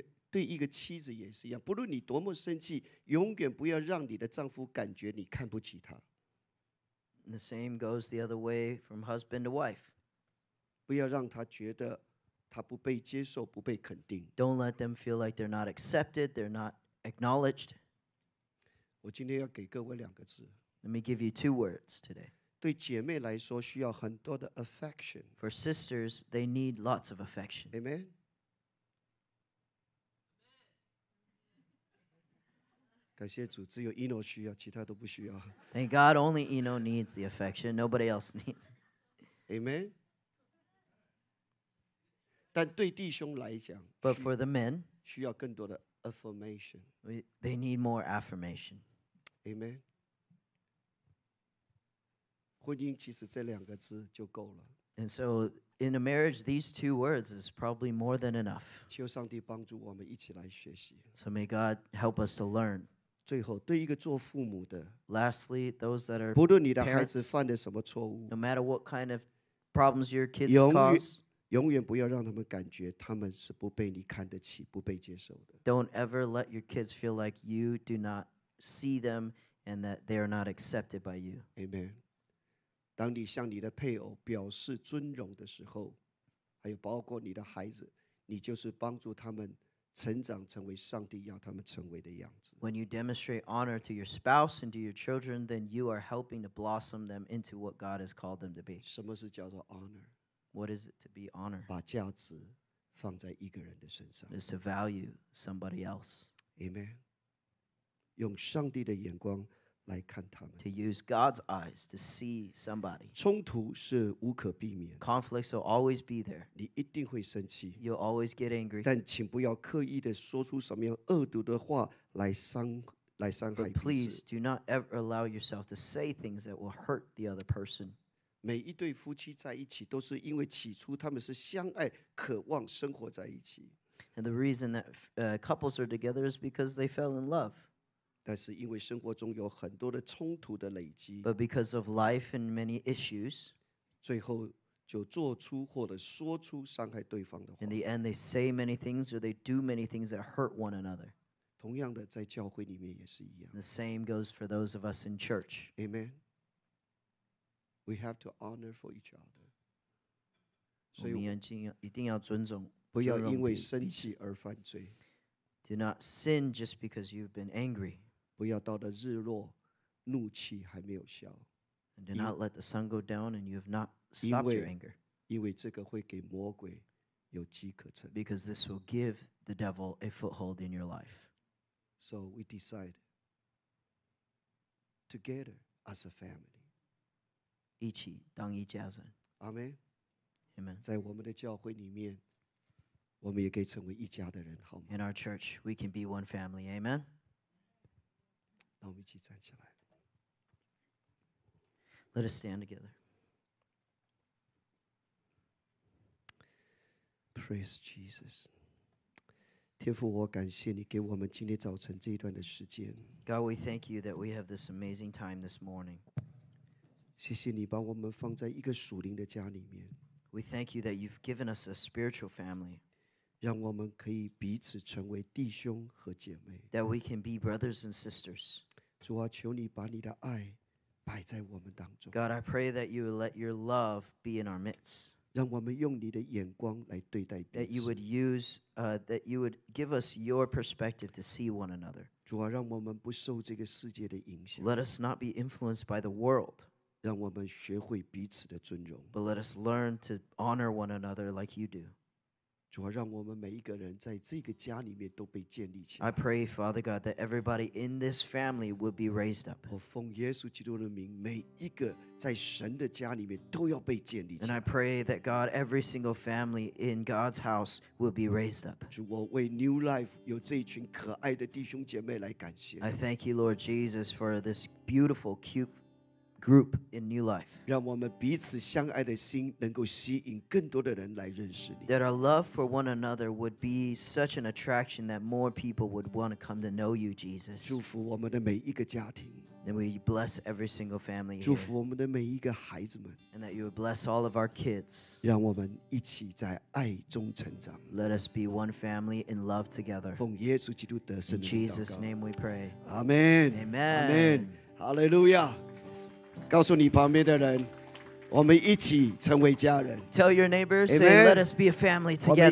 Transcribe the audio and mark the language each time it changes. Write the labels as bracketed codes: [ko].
[zh] 对一个妻子也是一样，不论你多么生气，永远不要让你的丈夫感觉你看不起他。 [en] And the same goes the other way from husband to wife. [zh] 不要让他觉得他不被接受，不被肯定。 [en] Don't let them feel like they're not accepted, they're not acknowledged. [zh] 我今天要给各位两个字。 [en] Let me give you two words today. [zh] 对姐妹来说需要很多的 affection. [en] For sisters, they need lots of affection. Amen. [zh] 感谢主，只有 Eno 需要，其他都不需要。 [en] Thank God, only Eno needs the affection. Nobody else needs. Amen. [zh] 但对弟兄来讲 [en] ，But for the men, [zh] 需要更多的 affirmation. [en] They need more affirmation. Amen. [zh] 婚姻其实这两个字就够了。 [en] And so, in a marriage, these two words is probably more than enough. [zh] 求上帝帮助我们一起来学习。 [en] So may God help us to learn. [zh] 最后，对一个做父母的 [en] ，Lastly, those that are [zh] 不论你的孩子犯的什么错误 [en] ，No matter what kind of problems your kids cause, [zh] 永远不要让他们感觉他们是不被你看得起、不被接受的。 [en] Don't ever let your kids feel like you do not see them and that they are not accepted by you. Amen. [zh] 当你向你的配偶表示尊荣的时候，还有包括你的孩子，你就是帮助他们。成长成为上帝要他们成为的样子。 [en] When you demonstrate honor to your spouse and to your children, then you are helping to blossom them into what God has called them to be. [zh] 什么是叫做 honor? [en] What is it to be honor? [zh] 把价值放在一个人的身上。 [en] It's to value somebody else. Amen. [zh] 用上帝的眼光来看他们。 [en] To use God's eyes to see somebody. [zh] 冲突是无可避免。 [en] Conflicts will always be there. [zh] 你一定会生气。 [en] You'll always get angry. [zh] 但请不要刻意的说出什么样恶毒的话来伤害彼此。 [en] But please do not ever allow yourself to say things that will hurt the other person. [zh] 每一对夫妻在一起都是因为起初他们是相爱，渴望生活在一起。 [en] And the reason that couples are together is because they fell in love. [zh] 但是因为生活中有很多的冲突的累积 [en] But because of life and many issues [zh] 最后就做出或者说出伤害对方的话 [en] In the end they say many things or they do many things that hurt one another [zh] 同样的在教会里面也是一样 [en] The same goes for those of us in church Amen We have to honor for each other [zh] 所以我们一定要尊重不要因为生气而犯罪 [en] Do not sin just because you've been angry. [zh] 不要到了日落，怒气还没有消。 [en] And do not let the sun go down and you have not stopped your anger. [zh] 因为这个会给魔鬼有机可乘。 [en] Because this will give the devil a foothold in your life. So we decide together as a family. [zh] 一起当一家人。 [en] Amen. Amen. [zh] 在我们的教会里面。我们也可以成为一家的人，好吗 [en] ？In our church, we can be one family. Amen. [zh] 那我们一起站起来。 [en] Let us stand together. Praise Jesus. [zh] 天父，我感谢你给我们今天早晨这一段的时间。 [en] God, we thank you that we have this amazing time this morning. [zh] 谢谢你把我们放在一个属灵的家里面。 [en] We thank you that you've given us a spiritual family. [zh] 让我们可以彼此成为弟兄和姐妹。 [en] That we can be brothers and sisters. [zh] 主啊，求你把你的爱摆在我们当中。 [en] God, I pray that you would let your love be in our midst. [zh] 让我们用你的眼光来对待彼此。 [en] That you would use, that you would give us your perspective to see one another. [zh] 主啊，让我们不受这个世界的影响。 [en] Let us not be influenced by the world. [zh] 让我们学会彼此的尊重。 [en] But let us learn to honor one another like you do. [zh] 主啊，让我们每一个人在这个家里面都被建立起来。 [en] I pray, Father God, that everybody in this family would be raised up. [zh] 我奉耶稣基督的名，每一个在神的家里面都要被建立起来。 [en] And I pray that God, every single family in God's house would be raised up. [zh] 主，我为 New Life 有这一群可爱的弟兄姐妹来感谢。 [en] I thank you, Lord Jesus, for this beautiful, cute. Group in New Life. [zh] 让我们彼此相爱的心能够吸引更多的人来认识你。 [en] That our love for one another would be such an attraction that more people would want to come to know you, Jesus. [zh] 祝福我们的每一个家庭。 [en] And we bless every single family here. [zh] 祝福我们的每一个孩子们。 [en] And that you would bless all of our kids. [zh] 让我们一起在爱中成长。 [en] Let us be one family in love together. [zh] 奉耶稣基督得胜的祷告。 [en] In Jesus' name we pray. Amen. Amen. Amen. Hallelujah. [zh] 告诉你旁边的人，我们一起成为家人。 [en] Tell your neighbors, say, let us be a family together.